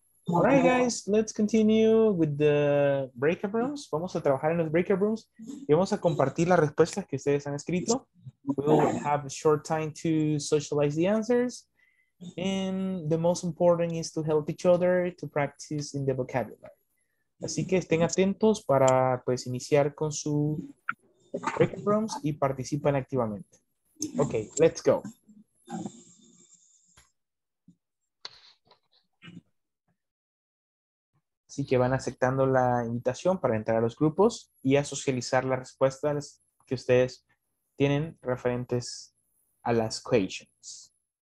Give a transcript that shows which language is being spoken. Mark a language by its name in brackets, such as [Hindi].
[English] All right, guys, let's continue with the breakout rooms. [Spanish] Vamos a trabajar en los breakout rooms y vamos a compartir las respuestas que ustedes han escrito. [English] We'll have a short time to socialize the answers. And the most important is to help each other to practice in the vocabulary. [Spanish] Así que estén atentos para, pues, iniciar con su breakout rooms y participen activamente. [English] Okay, let's go. [Spanish] Así que van aceptando la invitación para entrar a los grupos y a socializar las respuestas que ustedes tienen referentes a las questions.